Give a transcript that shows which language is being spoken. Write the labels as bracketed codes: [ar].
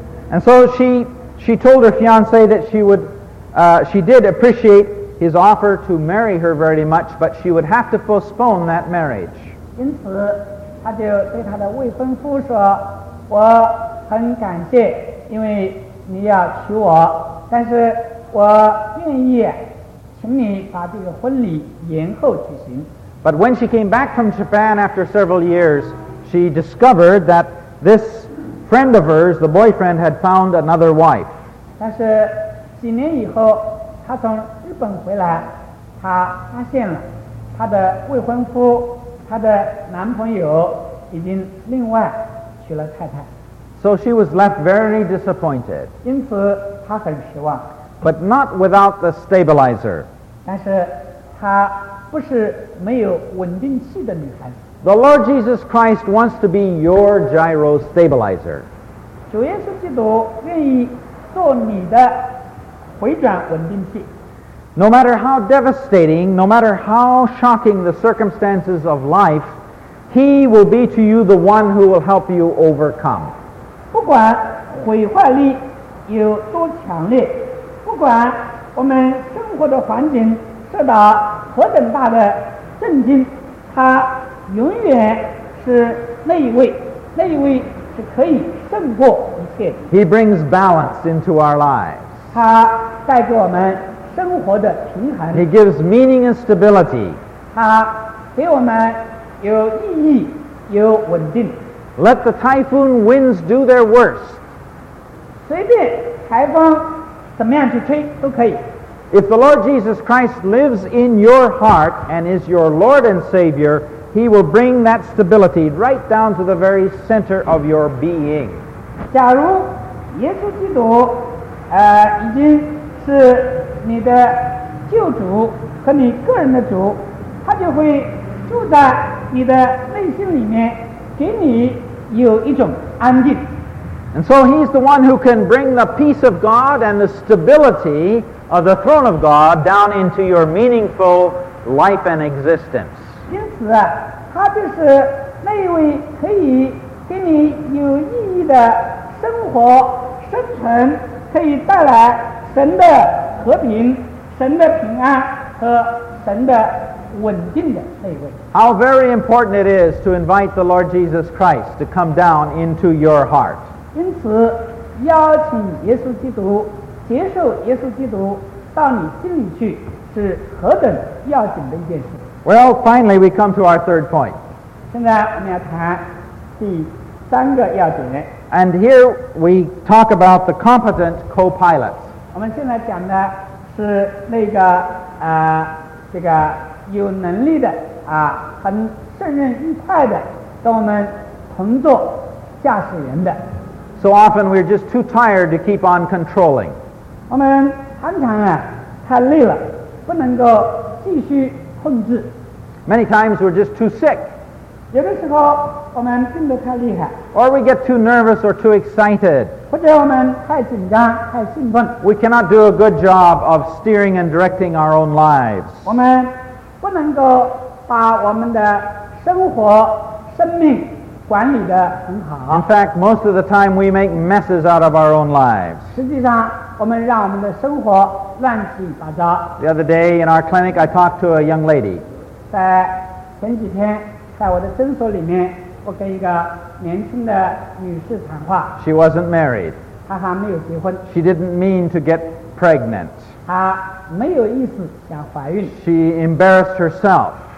[en] And so she told her fiancé that she would, she did appreciate his offer to marry her very much, but she would have to postpone that marriage. [zh] 因此，她就对她的未婚夫说：“我很感谢，因为你要娶我，但是我愿意请你把这个婚礼延后举行。” [en] But when she came back from Japan after several years, she discovered that this friend of hers, the boyfriend, had found another wife. [zh] 但是几年以后，他从日本回来，他发现了他的未婚夫，他的男朋友已经另外娶了太太。 [en] So she was left very disappointed. [zh] 因此他很失望。 [en] But not without the stabilizer. [zh] 但是他不是没有稳定器的女孩子。 [en] The Lord Jesus Christ wants to be your gyro stabilizer. [zh] 主耶稣基督愿意做你的回转稳定器。 [en] No matter how devastating, no matter how shocking the circumstances of life, He will be to you the one who will help you overcome. [zh] 不管毁坏力有多强烈，不管我们生活的环境受到何等大的震惊，他永远是那一位是可以胜过一切的。 [en] He brings balance into our lives. [zh] 他带给我们生活的平衡。 [en] He gives meaning and stability. [zh] 他给我们有意义，有稳定。 [en] Let the typhoon winds do their worst. [zh] 随便台风怎么样去吹都可以。 [en] If the Lord Jesus Christ lives in your heart and is your Lord and Savior,He will bring that stability right down to the very center of your being. [zh] 假如耶稣基督已经是你的救主和你个人的主，他就会住在你的内心里面，给你有一种安定。 [en] And so he's the one who can bring the peace of God and the stability of the throne of God down into your meaningful life and existence. [zh] 因此他就是那一位可以给你有意义的生活生存可以带来神的和平神的平安和神的稳定的那一位 [en] How very important it is to invite the Lord Jesus Christ to come down into your heart [zh] 因此邀请耶稣基督接受耶稣基督到你心里去是何等要紧的一件事 [en] Well, finally, we come to our third point. [zh] 现在我们要谈第三个要点。 [en] And here we talk about the competent co-pilots. [zh] 我们现在讲的是那个这个有能力的很胜任愉快的跟我们同坐驾驶员的。 [en] So often we're just too tired to keep on controlling. [zh] 我们常常太累了，不能够继续。 [en] Many times we're just too sick. [zh] 有的时候我们病得太厉害。 [en] Or we get too nervous or too excited. [zh] 或者我们太紧张、太兴奋。 [en] We cannot do a good job of steering and directing our own lives. [zh] 我们不能够把我们的生活、生命管理得很好。 [en] In fact, most of the time we make messes out of our own lives. [zh] 实际上，我们让我们的生活乱七八糟。 [en] The other day in our clinic I talked to a young lady. [zh] 在前几天在我的诊所里面我跟一个年轻的女士谈话。 [en] She wasn't married. [zh] 她还没有结婚。 [en] She didn't mean to get pregnant. [zh] 她没有意思想怀孕。 [en] She embarrassed herself.